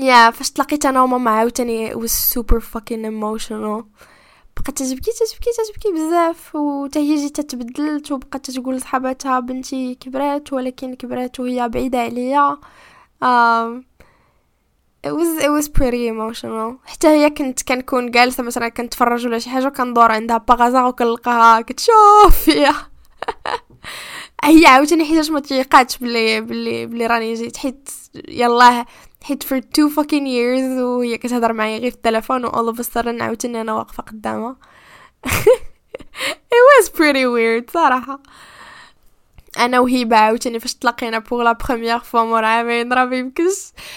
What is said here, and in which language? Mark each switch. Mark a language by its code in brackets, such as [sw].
[ar] فاش تلاقيت انا وماما عاوتاني [en] was super fucking emotional، [ar] بقات تبكي بزاف، وتا هي جات تبدلت وبقات تقول لصحاباتها بنتي كبرات، ولكن كبرات وهي بعيده عليا. [en] it was pretty emotional. [ar] حتى هي كنت كنكون جالسه مثلا كنتفرج ولا شي حاجه وكندور عندها باغازا وكنلقاها كتشوف فيا هي عاوتاني حيتاش ما تيقاتش بلي راني جيت، حيت يلاه حيت [en] for two fucking years [ar] وهي كتهضر معايا غير في التليفون، و [en] all of a sudden [ar] عاوتاني انا واقفه قدامها. [en] it was pretty weird صراحه. [ar] انا وهي عاوتاني فاش تلاقينا [fr] بوغ لا بروميير فوا [ar] مور عامين راه ميمكنش.